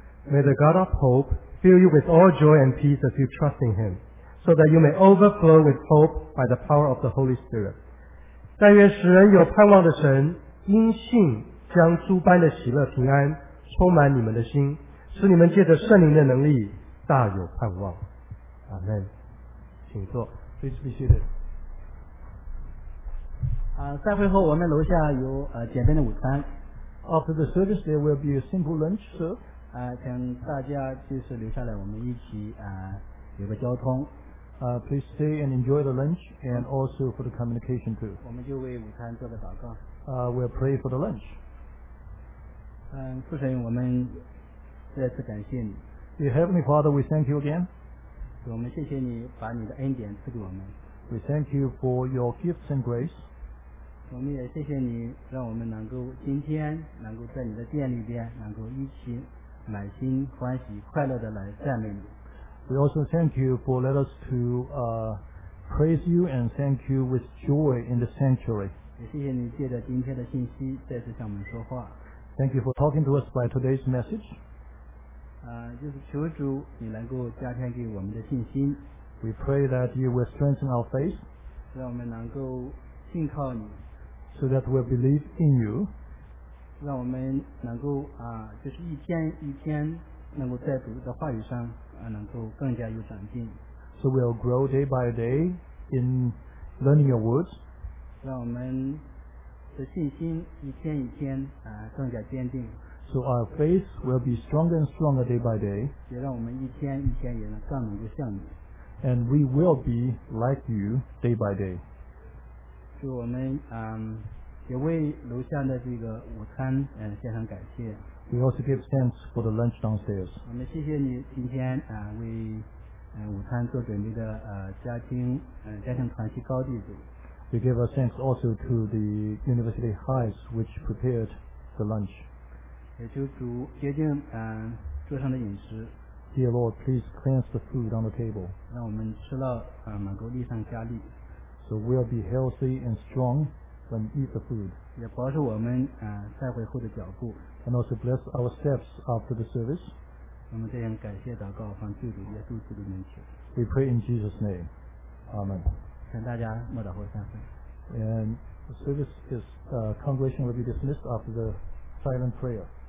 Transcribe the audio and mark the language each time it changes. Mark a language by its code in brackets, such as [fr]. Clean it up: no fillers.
[en] May the God of hope fill you with all joy and peace as you trust in Him, so that you may overflow with hope by the power of the Holy Spirit. [zh] 但愿使人有盼望的神，因信将诸般的喜乐平安充满你们的心，使你们借着圣灵的能力大有盼望。阿门。请坐。 [en] Please be seated. [zh] 散会后我们楼下有简单的午餐。 [en] After the service, there will be a simple lunch served. [zh] 请大家就是留下来，我们一起有个交通。 [en] Please stay and enjoy the lunch, and also for the communication too. [zh] 我们就为午餐做个祷告。 [en] We'll pray for the lunch. [zh] 父神，我们再次感谢你。 [en] Dear Heavenly Father, we thank you again. [zh] 我们谢谢你把你的恩典赐给我们。 [en] We thank you for your gifts and grace. [zh] 我们也谢谢你，让我们能够今天能够在你的殿里边，能够一起满心欢喜、快乐的来赞美你。 [en] We also thank you for let us to praise you and thank you with joy in the sanctuary. [zh] 也谢谢你借着今天的信息再次向我们说话。 [en] Thank you for talking to us by today's message. [zh] 就是求主你能够加添给我们的信心。 [en] We pray that you will strengthen our faith. [zh] 让我们能够信靠你。 [en] So that we believe in you. [zh] 让我们能够就是一天一天能够在主的话语上。能够更加有长进。 [en] So we'll grow day by day in learning your words. [zh] 让我们的信心一天一天更加坚定。 [en] So our faith will be stronger and stronger day by day. [zh] 也让我们一天一天也能更能够像你。 [en] And we will be like you day by day. [zh] 就我们也为楼下的这个午餐献上感谢。 [en] We also give thanks for the lunch downstairs. [zh] 我们谢谢你今天为午餐做准备的家庭团契高地组。 [en] We give our thanks also to the University Heights which prepared the lunch. [zh] 也求主洁净桌上的饮食。 [en] Dear Lord, please cleanse the food on the table. [zh] 让我们吃了能够力上加力。 [en] So we'll be healthy and strong when we eat the food. [zh] 也保守我们再会后的脚步。 [en] And also bless our steps after the service. [zh] 我们这样感谢祷告，奉救主耶稣基督的名求。 [en] We pray in Jesus' name. Amen. [zh] 请大家默祷后散会。 [en] And the service is congregation will be dismissed after the silent prayer.